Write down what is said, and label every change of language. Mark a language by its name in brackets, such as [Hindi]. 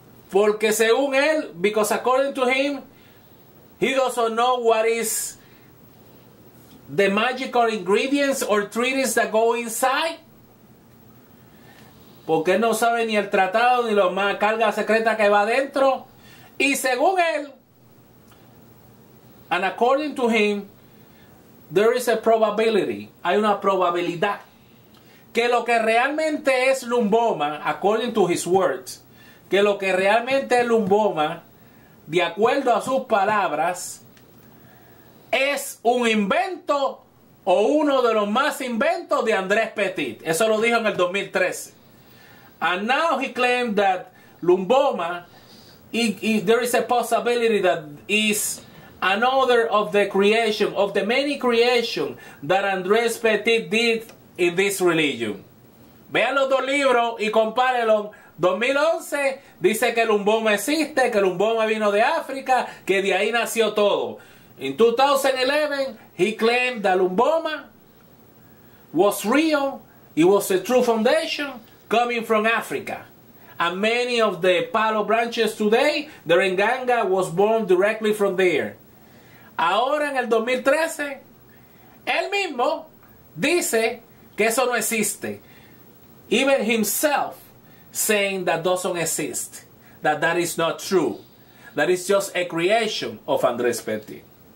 [Spanish] Porque según él, [English] because according to him, he doesn't know what is the magical ingredients or treaties that go inside. [Spanish] Porque él no sabe ni el tratado ni la carga secreta que va adentro. Y según él, [English] and according to him, there is a probability, [Spanish] hay una probabilidad, que lo que realmente es Lumbomba, [English] according to his words, [Spanish] que lo que realmente es Lumbomba, de acuerdo a sus palabras, es un invento o uno de los más inventos de Andrés Petit. Eso lo dijo en el 2013. [English] And now he claimed that Lumbomba, there is a possibility that is another of the creation, of the many creation that Andrés Petit did in this religion. [Spanish] Vean los dos libros y compárenlo. 2011 dice que Lumbomba existe, que Lumbomba vino de África, que de ahí nació todo. [English] In 2011, he claimed that Lumbomba was real, it was a true foundation coming from Africa. And many of the Palo branches today, the Renganga was born directly from there. [Spanish] Ahora en el 2013, él mismo dice que eso no existe. [English] Even himself saying that doesn't exist, that that is not true, that is just a creation of Andrés Petit.